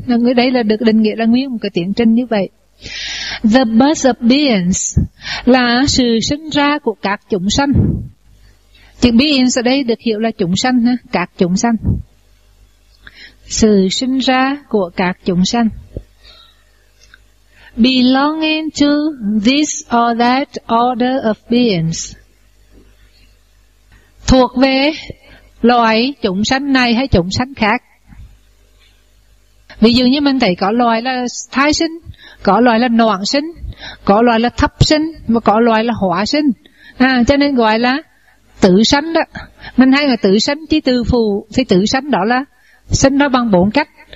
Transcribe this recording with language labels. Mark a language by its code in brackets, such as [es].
[vi] Người đây là được định nghĩa là nguyên một cái tiến trình như vậy. [en] The birth of beings [vi] là sự sinh ra của các chúng sanh. Chữ beings ở đây được hiểu là chúng sanh ha, các chúng sanh. Sự sinh ra của các chúng sanh. [en] Belonging to this or that order of beings. [vi] Thuộc về loài chúng sanh này hay chúng sanh khác. Ví dụ như mình thấy có loài là thai sinh, có loài là noãn sinh, có loài là thấp sinh, và có loài là hóa sinh. À, cho nên gọi là tử sanh đó. Mình hay là tử sanh chứ tử phù, thì tử sanh đó là sinh nó bằng bốn cách.